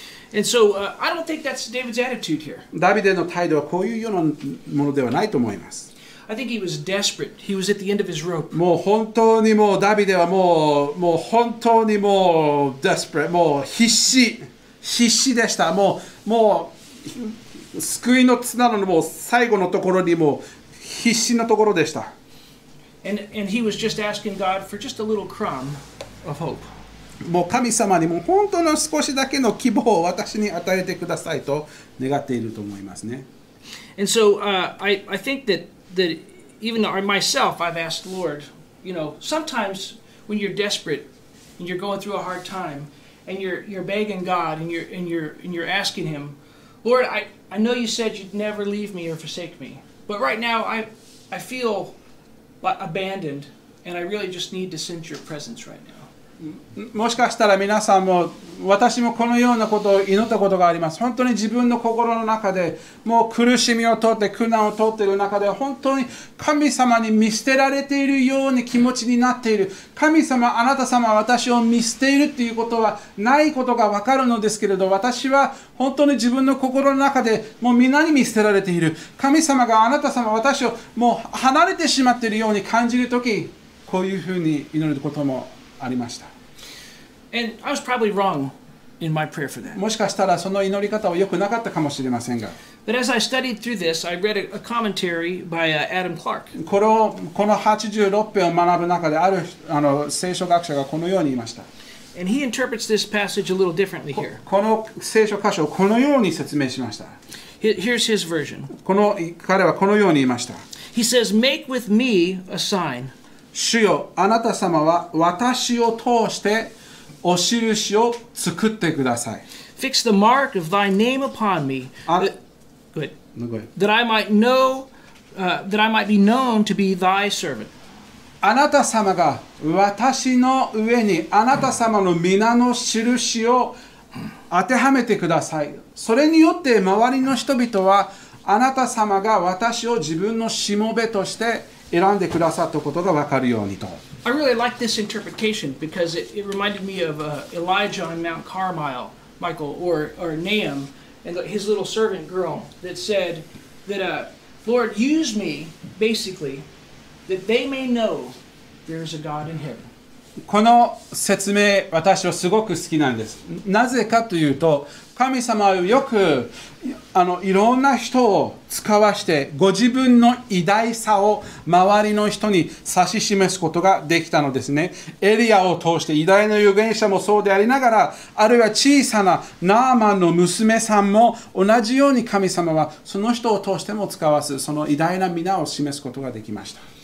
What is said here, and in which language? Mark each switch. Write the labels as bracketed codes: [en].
[en] And so, I don't think that's David's attitude here. [ja] ダビデの態度はこういうようなものではないと思います。 [en] I think he was desperate. He was at the end of his rope. [ja] もう本当にもうダビデはもう本当にもう desperate もう必死でした。もう救いの綱のもう最後のところにもう必死のところでした。 [en] And he was just asking God for just a little crumb of hope. [ja] もう神様にも本当の少しだけの希望を私に与えてくださいと願っていると思いますね。 [en] And so, I think that even though myself, I've asked Lord, you know, sometimes when you're desperate and you're going through a hard time and you're begging God and you're asking him,Lord, I know you said you'd never leave me or forsake me, but right now I feel abandoned, and I really just need to sense your presence right now. [ja] もしかしたら皆さんも私もこのようなことを祈ったことがあります。本当に自分の心の中でもう苦しみを通って苦難を通っている中で本当に神様に見捨てられているように気持ちになっている。神様、あなた様は私を見捨ているっていうことはないことがわかるのですけれど、私は本当に自分の心の中でもう皆に見捨てられている。神様があなた様は私をもう離れてしまっているように感じるとき、こういうふうに祈ることも。ありました。 [en] And I was probably wrong in my prayer for that. [ja] もしかしたらその祈り方は良くなかったかもしれませんが。 [en] But as I studied through this, I read a commentary by Adam Clark. [ja] この86編を学ぶ中である聖書学者がこのように言いました。 [en] And he interprets this passage a little differently here. [ja] この聖書箇所をこのように説明しました。 [en] Here's his version. [ja] この彼はこのように言いました。 [en] He says, "Make with me a sign." [ja] 主よ、あなた様は私を通してお印を作ってください。 [en] Fix the mark of thy name upon me, that I might be known to be thy servant. [ja] あなた様が私の上にあなた様の皆の印を当てはめてください。それによって周りの人々はあなた様が私を自分のしもべとして選んでくださったことが分かるようにと。 [en] I really like this interpretation because it reminded me of Elijah on Mount Carmel, Michael, or Nahum, and his little servant girl that said that, Lord, use me, basically, that they may know there's a God in heaven. [ja] この説明、私はすごく好きなんです。なぜかというと、神様はよくいろんな人を使わしてご自分の偉大さを周りの人に指し示すことができたのですね。エリアを通して偉大な預言者もそうでありながら、あるいは小さなナーマンの娘さんも同じように神様はその人を通しても使わす、その偉大な皆を示すことができました。